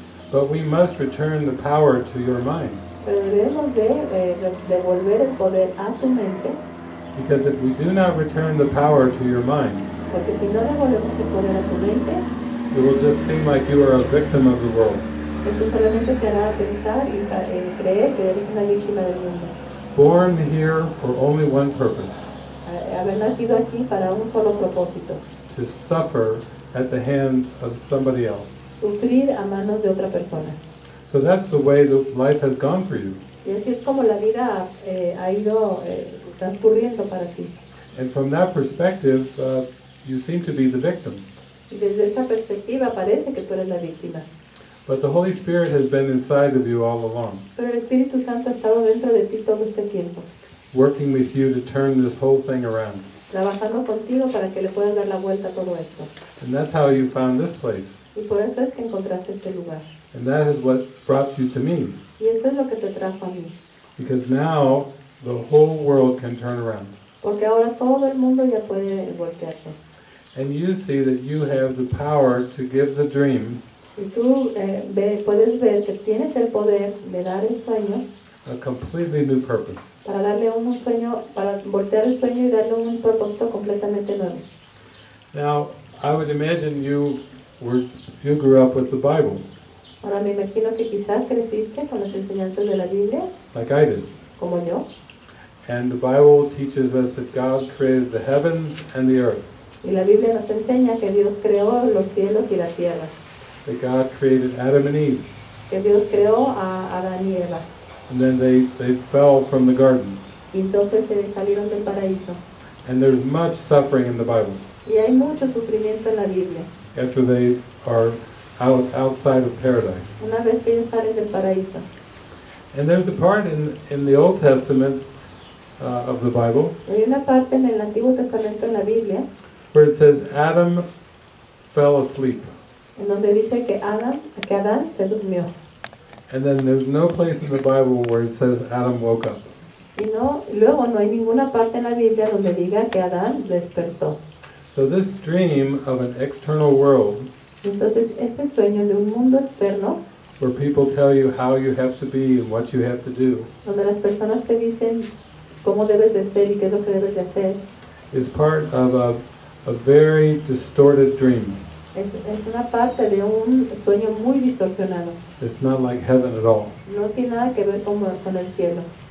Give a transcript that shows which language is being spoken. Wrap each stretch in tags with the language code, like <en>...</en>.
<en>But we must return the power to your mind.</en> <es>Pero debemos de devolver el poder a tu mente.</es> <en>Because if we do not return the power to your mind,</en> <es>porque si no devolvemos el poder a tu mente,</es> <en>it will just seem like you are a victim of the world.</en> <es>Eso solamente te hará pensar y creer que eres una víctima del mundo.</es> <en>Born here for only one purpose.</en> <es>Haber nacido aquí para un solo propósito.</es> <en>To suffer at the hands of somebody else.</en> <es>Sufrir a manos de otra persona.</es> <en>So that's the way that life has gone for you.</en> <es>Y así es como la vida ha ido transcurriendo para ti.</es> <en>And from that perspective, you seem to be the victim.</en> <es>Desde esa perspectiva parece que tú eres la víctima.</es> <en>But the Holy Spirit has been inside of you all along.</en> <es>Pero el Espíritu Santo ha estado dentro de ti todo este tiempo.</es> <en>Working with you to turn this whole thing around.</en> <es>Trabajando contigo para que le puedas dar la vuelta a todo esto.</es> <en>And that's how you found this place.</en> <es>Y por eso es que encontraste este lugar.</es> <en>And that is what brought you to me.</en> <es>Y eso es lo que te trajo a mí.</es> <en>Because now the whole world can turn around.</en> <es>Porque ahora todo el mundo ya puede voltearse.</es> <en>And you see that you have the power to give the dream.</en> <es>Y tú puedes ver que tienes el poder de dar el sueño.</es> <en>A completely new purpose.</en> <es>Para darle un sueño, para voltear el sueño y darle un propósito completamente nuevo.</es> <en>Now, I would imagine you grew up with the Bible.</en> <es>Ahora me imagino que quizás creciste con las enseñanzas de la Biblia.</es> <en>Like I did.</en> <es>Como yo.</es> <en>And the Bible teaches us that God created the heavens and the earth.</en> <es>Y la Biblia nos enseña que Dios creó los cielos y la tierra.</es> <en>That God created Adam and Eve.</en> <es>Que Dios creó a Adán y Eva.</es> <en>And then they fell from the garden.</en> <es>Y entonces se salieron del paraíso.</es> <en>And there's much suffering in the Bible.</en> <es>Y hay mucho sufrimiento en la Biblia.</es> <en>After they are outside of paradise.</en> <es>Una vez que ellos salen del paraíso.</es> <en>And there's a part in the Old Testament of the Bible.</en> <es>Hay una parte en el Antiguo Testamento en la Biblia.</es> <en>Where it says Adam fell asleep.</en> <es>En donde dice que Adán se durmió.</es> <en>And then there's no place in the Bible where it says Adam woke up.</en> <es>Y no, luego no hay ninguna parte en la Biblia donde diga que Adán despertó.</es> <en>So this dream of an external world.</en> <es>Entonces este sueño de un mundo externo.</es> <en>Where people tell you how you have to be and what you have to do.</en> <es>Donde las personas te dicen cómo debes de ser y qué es lo que debes de hacer.</es> <en>Is part of a very distorted dream.</en> <es>Es una parte de un sueño muy distorsionado.</es> <en>It's not like heaven at all.</en> <es>No tiene nada que ver con el cielo.</es>